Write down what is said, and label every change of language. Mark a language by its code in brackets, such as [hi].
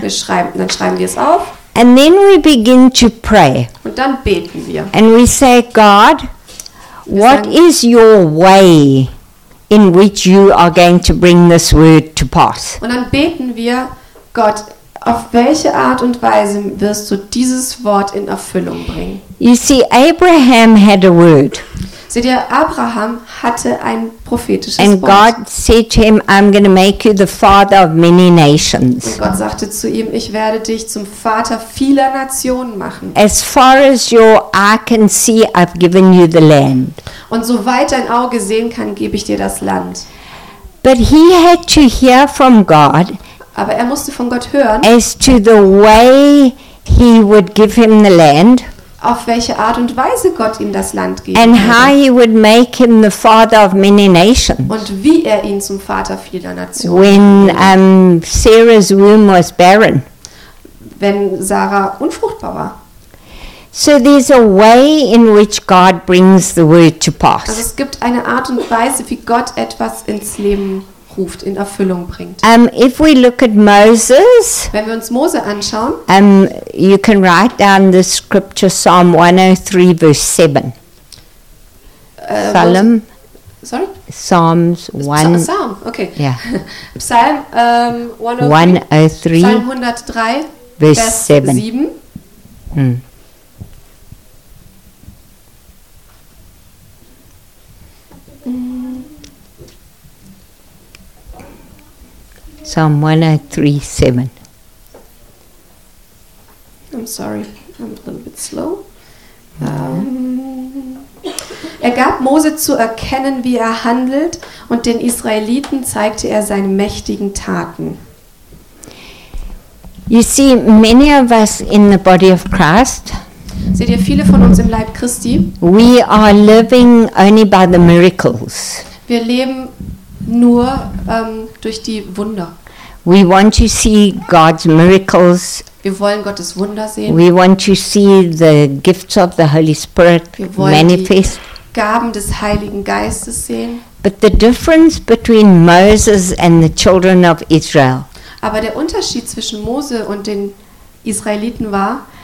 [de] Dann schreiben wir es auf. [en] And then we begin to pray. [de] Und dann beten wir. [en] And we say, God, what is your way in which you are going to bring this word to pass? [de] Und dann beten wir, Gott, auf welche Art und Weise wirst du dieses Wort in Erfüllung bringen? [en] You see, Abraham had a word. [de] Seht ihr, Abraham hatte ein prophetisches [en] And [de] Wort. [en] And God said to him, I'm going to make you the father of many nations. [de] Und Gott sagte zu ihm, ich werde dich zum Vater vieler Nationen machen. [en] As far as your eye can see, I've given you the land. [de] Und soweit dein Auge sehen kann, gebe ich dir das Land. [en] But he had to hear from God. [de] Aber er musste von Gott hören. [en] As to the way he would give him the land. [de] Auf welche Art und Weise Gott ihm das Land geben [en] And how he would make him the father of many nations. [de] Und wie er ihn zum Vater vieler Nationen. [en] When Sarah's womb was barren. [de] Wenn Sarah unfruchtbar war. [en] So there's a way in which God brings the word to pass. [de] Also es gibt eine Art und Weise, wie Gott etwas ins Leben ruft, in Erfüllung bringt. [en] If we look at Moses, [de] wenn wir uns Mose anschauen, [en] you can write down the scripture Psalm 103 verse 7. Psalm 103 verse 7. Psalm 103:7. I'm sorry, I'm a little bit slow. [de] Er gab Mose zu erkennen, wie er handelt, und den Israeliten zeigte er seine mächtigen Taten. [en] You see, many of us in the body of Christ. [de] Seht ihr, viele von uns im Leib Christi. [en] We are living only by the miracles. [de] Wir leben nur durch die Wunder. [en] We want to see God's miracles. [de] Wir wollen Gottes Wunder sehen. [en] We want to see the gifts of the Holy Spirit manifest. [de] Wir wollen die Gaben des Heiligen Geistes sehen. [en] But the difference between Moses and the children of Israel. [de] Aber der Unterschied zwischen Mose und den Israeliten war,